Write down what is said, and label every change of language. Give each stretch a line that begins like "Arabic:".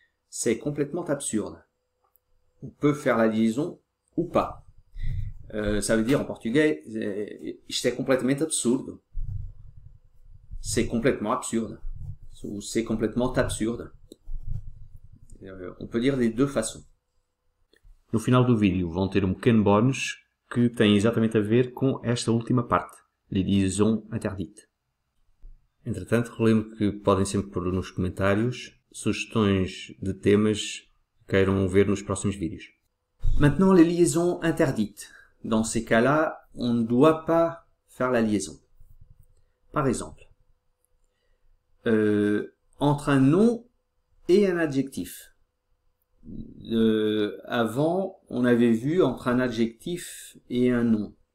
French: C'est complètement absurde. On peut faire la liaison ou pas. Ça veut dire en portugais, c'est complètement absurde. C'est complètement absurde. Ou c'est complètement absurde. On peut dire des deux façons.
Portuguese: No final do vídeo vão ter um pequeno bónus que tem exatamente a ver com esta última parte, liaison interdite. Entretanto, relembro que podem sempre pôr nos comentários sugestões de temas que queiram ver nos próximos vídeos.
French: Maintenant, les liaisons interdites. Dans ces cas-là, on ne doit pas faire la liaison. Par exemple, entre un nom et un adjectif. Avant, on avait vu entre un adjectif et un nom.